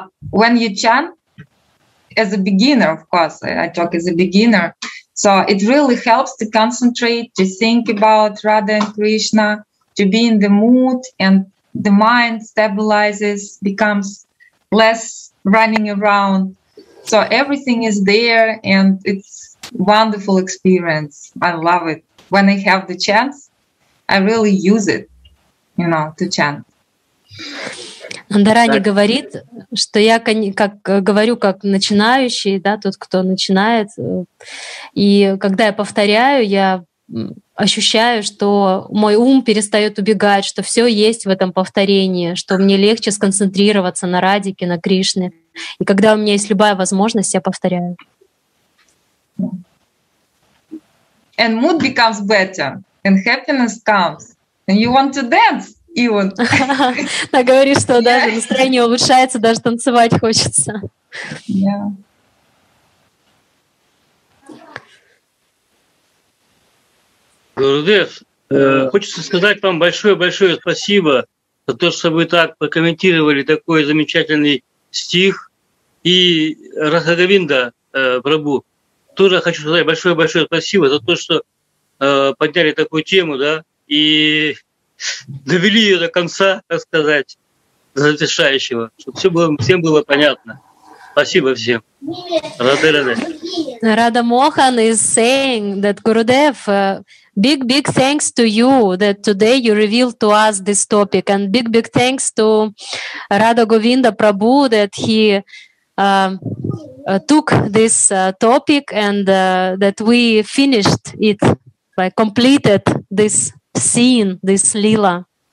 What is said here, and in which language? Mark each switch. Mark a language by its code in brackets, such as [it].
[en] When you chant, as a beginner, of course, I talk as a beginner, so it really helps to concentrate, to think about Radha and Krishna, to be in the mood and the mind stabilizes, becomes less running around. So everything is there, and it's wonderful experience. I love it. When I have the chance, I really use it, you know, to chant. [ru] Нандарани говорит, что я как говорю как начинающий, да, тот, кто начинает. И когда я повторяю, я ощущаю, что мой ум перестает убегать, что все есть в этом повторении, что мне легче сконцентрироваться на Радике, на Кришне. И когда у меня есть любая возможность, я повторяю. [en] And mood becomes better, and happiness comes, and you want to dance even. [ru] Она говорит, что даже настроение улучшается, даже танцевать хочется. Гурудев, хочется сказать вам большое-большое спасибо за то, что вы так прокомментировали такой замечательный стих. И Рагхавинда Прабху, тоже хочу сказать большое-большое спасибо за то, что подняли такую тему, да, и довели ее до конца, так сказать, завершающего, чтобы всем было понятно. Спасибо всем. [en] Radha Mohan is saying that Gurudev, big thanks to you that today you revealed to us this topic, and big thanks to Radha Govinda Prabhu that he took this topic and that we finished it, like completed this scene, this lila.